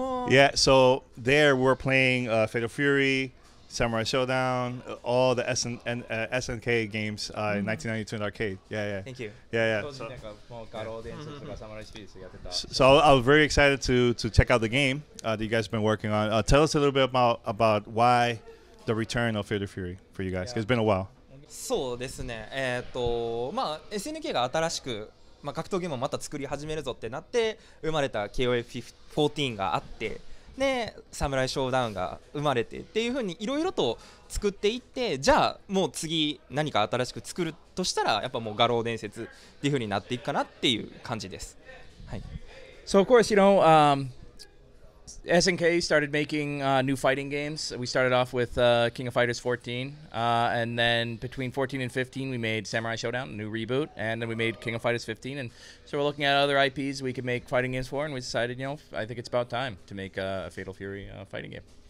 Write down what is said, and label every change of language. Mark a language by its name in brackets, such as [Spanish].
[English] Yeah, so there we're playing Fatal Fury, Samurai Showdown, all the SNK games in 1992 in arcade. Yeah, yeah. Thank you. Yeah, yeah. So I was very excited to check out the game that you guys have been working on. Tell us a little bit about why the return of Fatal Fury for you guys. Yeah. It's been a while. [Japanese] そうですね。 SNK が新しく、格闘ゲームをまた作り始めるぞってなって生まれた KOF14 があって、で、サムライショーダウンが生まれてっていう風にいろいろと作っていって、じゃあもう次何か新しく作るとしたら、やっぱもう画廊伝説っていう風になっていくかなっていう感じです。はい。 [English] So of course, you know, SNK started making new fighting games. We started off with King of Fighters 14, and then between 14 and 15, we made Samurai Showdown, a new reboot, and then we made King of Fighters 15. And so we're looking at other IPs we could make fighting games for, and we decided, you know, I think it's about time to make a Fatal Fury fighting game.